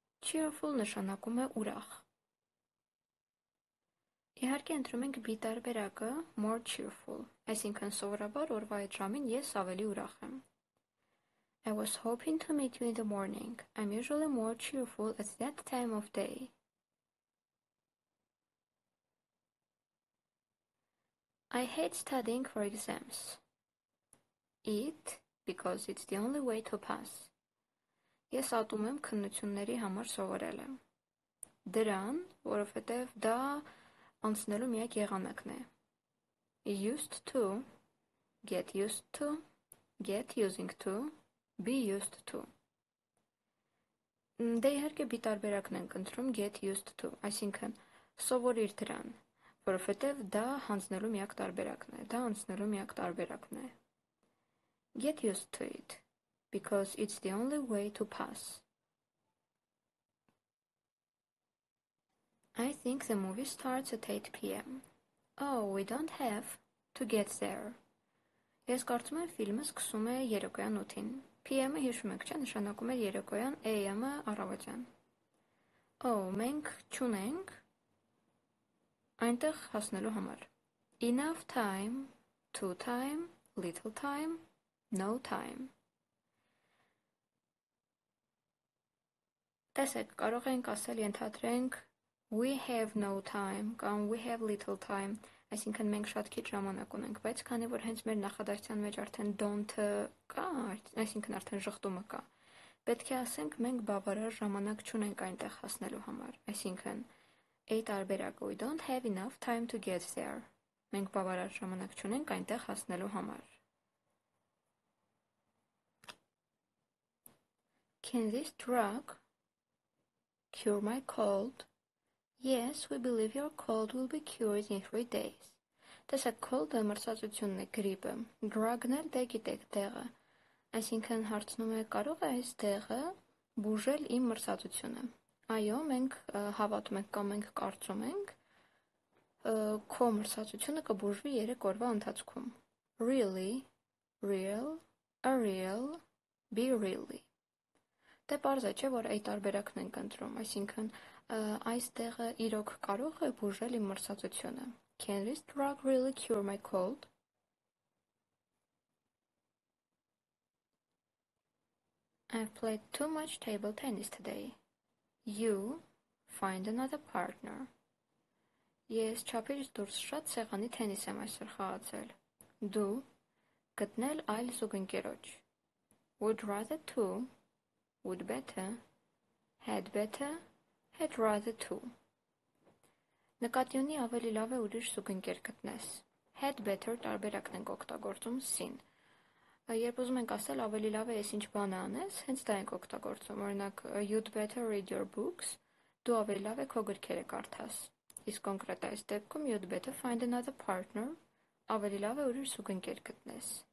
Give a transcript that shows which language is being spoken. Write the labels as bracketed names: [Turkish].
[Armenian] Cheerful նշանակում է ուրախ։ Իհարկե ընտրում ենք բի տարբերակը more cheerful, այսինքն սովորաբար օրվա այդ ժամին ես ավելի ուրախ եմ։ [English] I was hoping to meet you in the morning. I'm usually more cheerful at that time of day. I hate studying for exams. It, because it's the only way to pass. [Armenian] Ես ատում եմ քննությունների համար սովորելը. Դրան, որովհետև դա անցնելու միակ եղանակն է. [English] Used to, get used to, get using to. Be used to. [Armenian] Դե իհարկե բի տարբերակն ենք ընտրում get used to, այսինքն սովորիր դրան, որովհետև դա հանձնելու միակ տարբերակն է, դա անցնելու միակ տարբերակն է. [English] Get used to it, because it's the only way to pass. I think the movie starts at 8 p.m. Oh, we don't have to get there. [Armenian] Ես կարծում եմ ֆիլմը սկսում է երեկոյան 8-ին. PM-ը հիշում եք, չէ՞, նշանակում է երեկոյան, AM-ը առավոտյան։ [English] Oh, [Armenian] մենք չունենք այնտեղ հասնելու համար։ [English] Enough time, too time, little time, no time. [Armenian] Տեսեք, կարող ենք ասել ենթադրենք [English] we have no time [Armenian] կամ [English] we have little time, [Armenian] այսինքն մենք շատ քիչ ժամանակ ունենք, բայց քանի որ հենց մեր նախադասության մեջ արդեն don't-ը կա, այսինքն արդեն շղթումը կա, պետք է ասենք մենք բավարար ժամանակ չունենք այնտեղ հասնելու համար, այսինքն այ տարբերակը [English] we don't have enough time to get there, [Armenian] մենք բավարար ժամանակ չունենք այնտեղ հասնելու համար։ [English] Can this drug cure my cold? Yes, we believe your cold will be cured in 3 days. [Armenian] Տեսակ cold-ը մրցածությունն է գրիպը, drug-ն էլ դե գիտեք դեղը, այսինքն հարցնում է կարող է այս դեղը բուժել իմ մրցածությունը։ Այո, մենք հավատում ենք կամ մենք կարծում ենք, քո մրցածությունը կբուժվի 3 օրվա ընթացքում։ [English] Really, real, a real, be really. [Armenian] Դե պարզ է, չէ՞, որ այ տարբերակն ենք ընտրում, այսինքն այս դեղը իրոք կարող է բուժել իմ մրցածությունը։ [English] Can this drug really cure my cold? I've played too much table tennis today. You find another partner. [Armenian] Ես չափից դուրս շատ սեղանի տենիս եմ այսօր խաղացել. Դու գտնել այլ զուգընկերոջ. [English] Would rather to, would better, had rather to. [Armenian] Նկատյունի ավելի լավ է ուրիշ զուգընկեր գտնես. Had better տարբերակն ենք օգտագործում sin. Երբ ուզում ենք ասել ավելի լավ է ինչ բան անես, հենց դա ենք օգտագործում, օրինակ [English] you'd better read your books, [Armenian] դու ավելի լավ է քո գրքերը կարդաս։ Իսկ կոնկրետ այս դեպքում [English] you'd better find another partner, [Armenian] ավելի լավ է ուրիշ զուգընկեր գտնես.